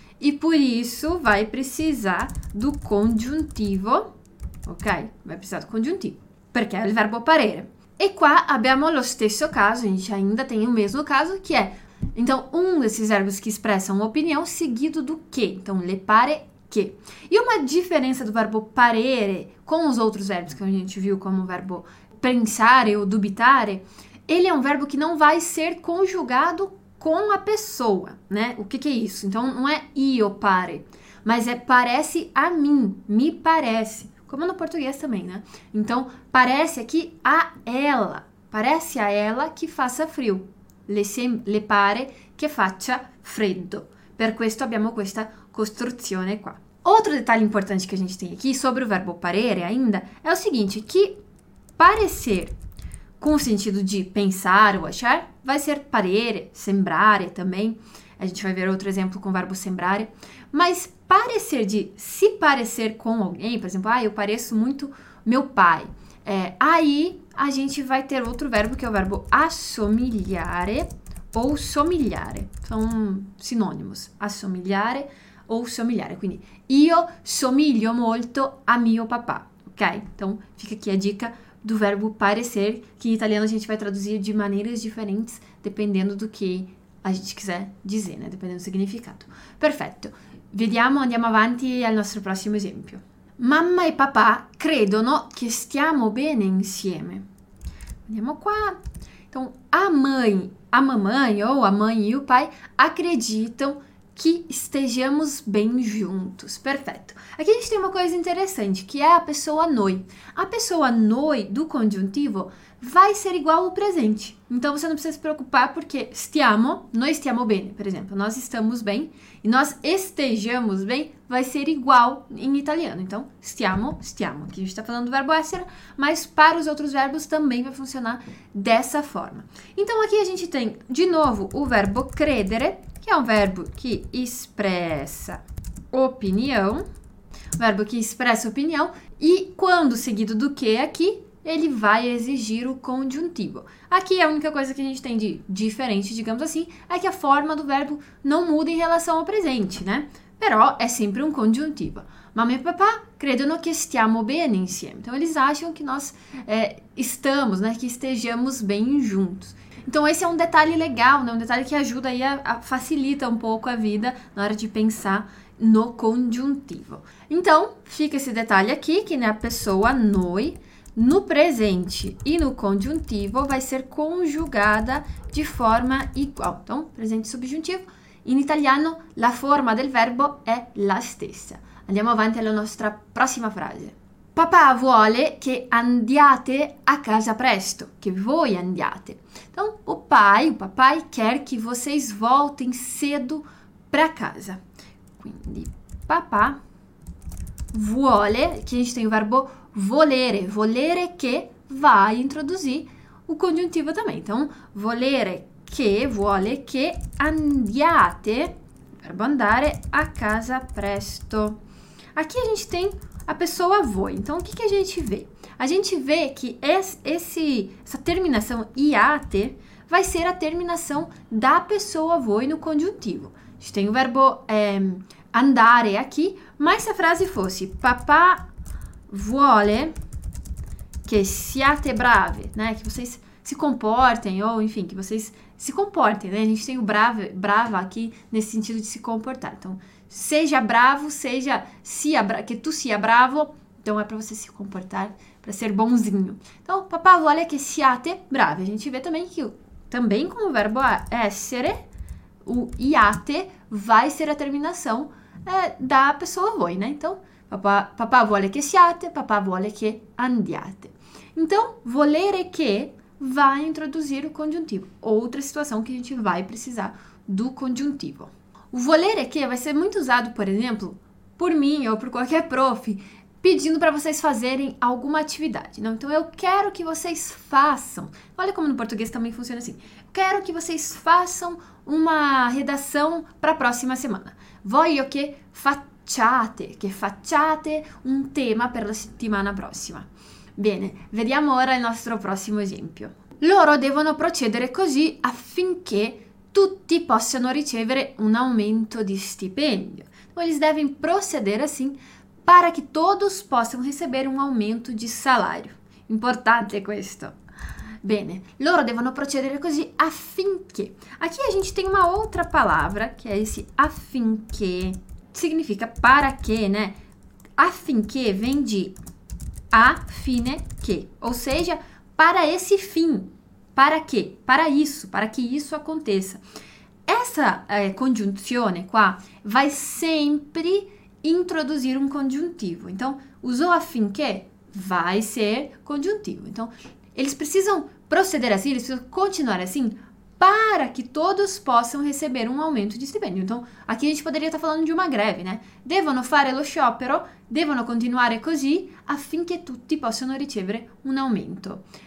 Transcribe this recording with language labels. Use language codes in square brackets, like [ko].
[pt] E por isso vai precisar do congiuntivo, ok? Vai precisar do congiuntivo, [it] perché è il verbo parere. E qua abbiamo lo stesso caso, [pt] a gente ainda tem o mesmo caso, que é, então, um desses verbos que expressam opinião seguido do que. Então, [it] le pare che. [pt] E uma diferença do verbo parere com os outros verbos que a gente viu como verbo pensare ou dubitare, ele é um verbo que não vai ser conjugado com a pessoa, né? O que que é isso? Então não é [it] io pare, [pt] mas é parece a mim, me parece. Como no português também, né? Então parece aqui a ela, parece a ela que faça frio. [it] Le pare che faccia freddo. Per questo abbiamo questa costruzione qua. [pt] Outro detalhe importante que a gente tem aqui sobre o verbo parere ainda é o seguinte, que parecer com o sentido de pensar ou achar vai ser parere, sembrare também. A gente vai ver outro exemplo com o verbo sembrare. Mas parecer de se parecer com alguém, por exemplo, ah, eu pareço muito meu pai. Aí a gente vai ter outro verbo que é o verbo assomigliare ou somigliare. São sinônimos, assomigliare ou somigliare. [it] Quindi, io somiglio molto a mio papà, ok? [pt] Então, fica aqui a dica do verbo parecer, que em italiano a gente vai traduzir de maneiras diferentes, dependendo do que a gente quiser dizer, né? Dependendo do significado. Perfeito. [it] Vediamo, andiamo avanti al nostro prossimo esempio. Mamma e papà credono che stiamo bene insieme. Andiamo qua. [pt] Então, a mamãe ou a mãe e o pai acreditam que estejamos bem juntos. Perfeito. Aqui a gente tem uma coisa interessante, que é a pessoa noi. A pessoa noi do congiuntivo vai ser igual ao presente. Então você não precisa se preocupar porque stiamo, noi stiamo bene, por exemplo, nós estamos bem e nós estejamos bem vai ser igual em italiano. Então, stiamo, stiamo. Aqui a gente está falando do verbo essere, mas para os outros verbos também vai funcionar dessa forma. Então aqui a gente tem de novo o verbo credere, que é um verbo que expressa opinião, verbo que expressa opinião, e quando seguido do que aqui, ele vai exigir o conjuntivo. Aqui a única coisa que a gente tem de diferente, digamos assim, é que a forma do verbo não muda em relação ao presente, né? Però é sempre um conjuntivo. [it] Mamma e papà credono che stiamo bene insieme. [pt] Então eles acham que nós estamos, né, que estejamos bem juntos. Então, esse é um detalhe legal, né? Um detalhe que ajuda aí a facilita um pouco a vida na hora de pensar no conjuntivo. Então, fica esse detalhe aqui, que né, a pessoa noi, no presente e no conjuntivo, vai ser conjugada de forma igual. Então, presente subjuntivo. [it] In italiano, la forma del verbo è la stessa. Andiamo avanti alla nostra prossima frase. Papà vuole che andiate a casa presto, che voi andiate. [pt] Então, o papai quer que vocês voltem cedo para casa. [it] Quindi, papà vuole, [pt] aqui a gente tem o verbo volere, volere che vai introduzir o congiuntivo também. Então, volere che, [it] vuole che andiate, [pt] verbo andare, [it] a casa presto. [pt] Aqui a gente tem a pessoa voi. Então, o que que a gente vê? A gente vê que essa terminação iate vai ser a terminação da pessoa voi no conjuntivo. A gente tem o verbo andare aqui, mas se a frase fosse [it] papà vuole che siate brave, [pt] né? Que vocês se comportem, ou enfim, que vocês se comportem, né? A gente tem o brava aqui nesse sentido de se comportar. Então, seja bravo, seja que [it] tu sia bravo, [pt] então é para você se comportar, para ser bonzinho. Então, [it] papà vuole che siate brave. [pt] A gente vê também que também com o verbo essere, o iate vai ser a terminação da pessoa voi, né? Então, [it] papà vuole che siate, papà vuole che andiate. [pt] Então, volere che vai introduzir o congiuntivo. Outra situação que a gente vai precisar do conjuntivo. O volere che vai ser muito usado, por exemplo, por mim ou por qualquer prof, pedindo para vocês fazerem alguma atividade. Não? Então, eu quero que vocês façam. Olha como no português também funciona assim. Quero que vocês façam uma redação para a próxima semana. [it] Voglio che facciate un tema per la settimana prossima. Bene, vediamo ora il nostro prossimo esempio. Loro devono procedere così affinché tutti possano ricevere un aumento di stipendio. [pt] Eles devem proceder assim para que todos possam receber um aumento de salário. [it] Importante questo. Bene, loro devono procedere così affinché. [pt] Aqui a gente tem uma outra palavra, que é esse affinché. Significa para que, né? Affinché vem de a fine che, ou seja, para esse fim. Para quê? Para que isso aconteça. Essa congiunzione qua vai sempre introduzir um congiuntivo. Então, usou affinché? Vai ser congiuntivo. Então, eles precisam proceder assim, eles precisam continuar assim para que todos possam receber um aumento de stipendio. Então, aqui a gente poderia estar falando de uma greve, né? [it] Devono fare lo sciopero, devono continuare così affinché tutti possano ricevere un aumento.